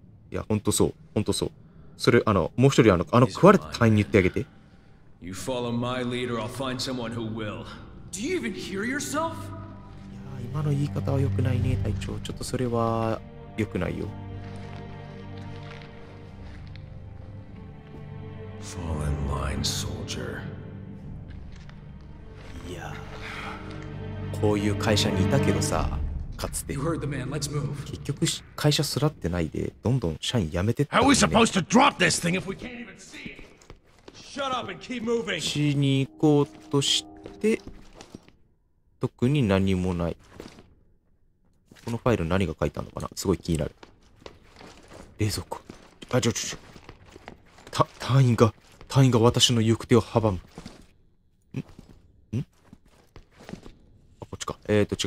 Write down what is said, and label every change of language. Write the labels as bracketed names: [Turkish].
[Japanese] いや、ほんとそう。ほんとそう。それ、もう一人、食われた隊員に言ってあげて。 [English] You follow my leader, I'll find someone who will. Do you even hear yourself? [Japanese] いや、今の言い方は良くないね、隊長。ちょっとそれは、良くないよ。 [English] Fall in line, soldier. [Japanese] いや、こういう会社にいたけどさ、かつて。 [English] You heard the man. Let's move. [Japanese] 結局会社すらってないで、どんどん社員辞めてった [English] ね。How are we supposed to drop this thing if we can't even see it? Shut up and keep moving. [Japanese] しに行こうとして、特に何もない。このファイル何が書いたのかな。すごい気になる。冷蔵庫。あ、ちょ。隊員が私の行く手を阻む。ん？ん？あ、こっちか。違う。